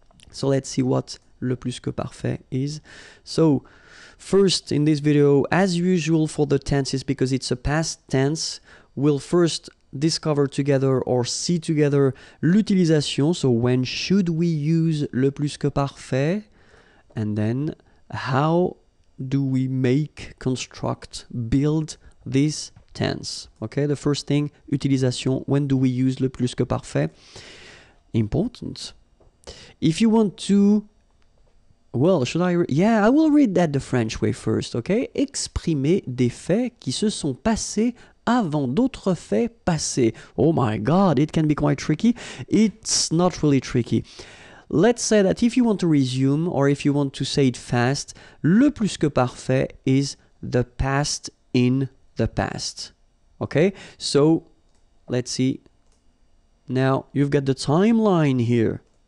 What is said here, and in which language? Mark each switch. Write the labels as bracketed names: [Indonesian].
[English] So let's see what le plus-que-parfait is. So first, in this video, as usual for the tenses, because it's a past tense, we'll first discover together or see together l'utilisation, so when should we use le plus que parfait, and then how do we make, construct, build this tense. Okay, the first thing, utilisation, when do we use le plus que parfait? Important. If you want to, well, should I read? Yeah, I will read that the French way first, okay? [French] Exprimer des faits qui se sont passés avant d'autres faits passés. [English] Oh my god, it can be quite tricky. It's not really tricky. Let's say that if you want to resume, or if you want to say it fast, le plus que parfait is the past in the past. Okay, so let's see. Now, you've got the timeline here.